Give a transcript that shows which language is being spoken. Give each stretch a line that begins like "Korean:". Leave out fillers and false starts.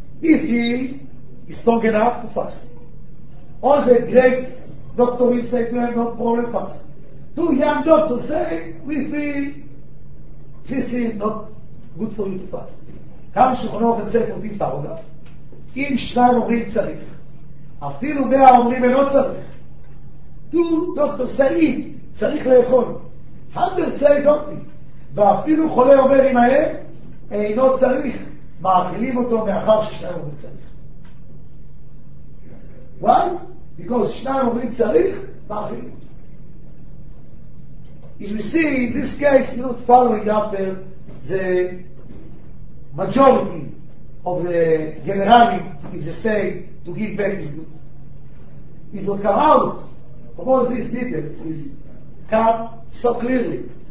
English: If he is strong enough to fast. All the great doctors will say to him, no problem, fast. Two young doctors say, we feel this is not good for you to fast. Come Shulchan Aruch and say, for this paragraph.
Hebrew: אם שניים אומרים צריך, אפילו מאה אומרים אינו צריך.
English: Two
Hebrew: דוקטור סעיד צריך לאכול.
English: Hundred say don't eat.
Hebrew: ואפילו חולה אומר עם האם, אינו צריך. מאכילים אותו מאחר ששניים אומרים צריך.
English: Why? Because
Hebrew: שניים אומרים צריך, מאכילים אותו.
English: As we see, in this case, you're not following after the majority of the generali, if they say to give back is good. Is what come out from all these details is come so clearly.